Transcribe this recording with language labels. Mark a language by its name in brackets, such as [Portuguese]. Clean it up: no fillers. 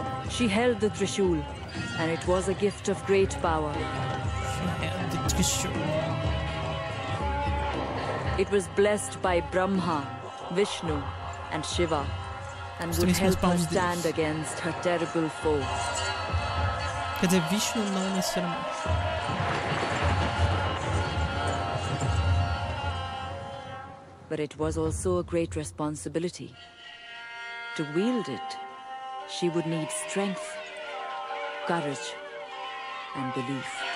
[English] She held the Trishul, and it was a gift of great power. She held the Trishul. It was blessed by Brahma, Vishnu and Shiva and would help her stand against her terrible foes. [Portuguese] Quer dizer, Vishnu não necessariamente. [English] But it was also a great responsibility. To wield it, she would need strength, courage and belief.